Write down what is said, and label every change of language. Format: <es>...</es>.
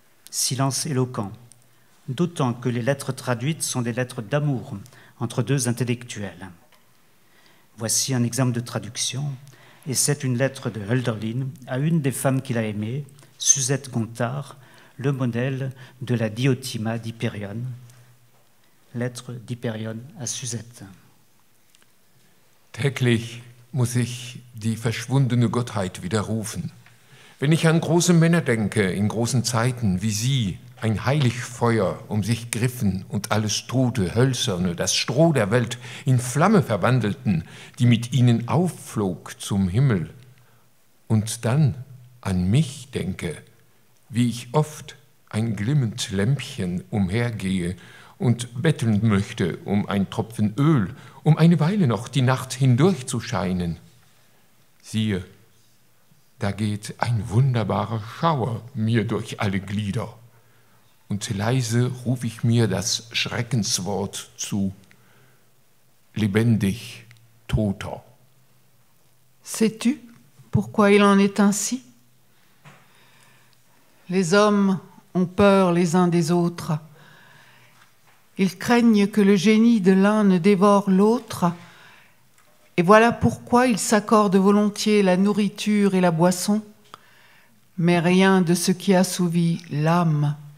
<fr>Silence éloquent, d'autant que les lettres traduites sont des lettres d'amour entre deux intellectuels. Voici un exemple de traduction, et c'est une lettre de Hölderlin à une des femmes qu'il a aimées, Suzette Gontard, le modèle de la Diotima d'Hyperion. Lettre d'Hyperion à Suzette.</fr> <de>Täglich muss ich die verschwundene Gottheit widerrufen. Wenn ich an große Männer denke, in großen Zeiten, wie sie, ein Heiligfeuer um sich griffen und alles Tote, Hölzerne, das Stroh der Welt in Flamme verwandelten, die mit ihnen aufflog zum Himmel, und dann an mich denke, wie ich oft ein glimmend Lämpchen umhergehe und betteln möchte um ein Tropfen Öl, um eine Weile noch die Nacht hindurch zu scheinen. Siehe, da geht ein wunderbarer Schauer mir durch alle Glieder, und leise rufe ich mir das Schreckenswort zu: lebendig, toter.</de> <fr>Sais-tu pourquoi il en est ainsi? Les hommes ont peur les uns des autres. Ils craignent que le génie de l'un ne dévore l'autre, et voilà pourquoi ils s'accordent volontiers la nourriture et la boisson, mais rien de ce qui assouvit l'âme.</fr>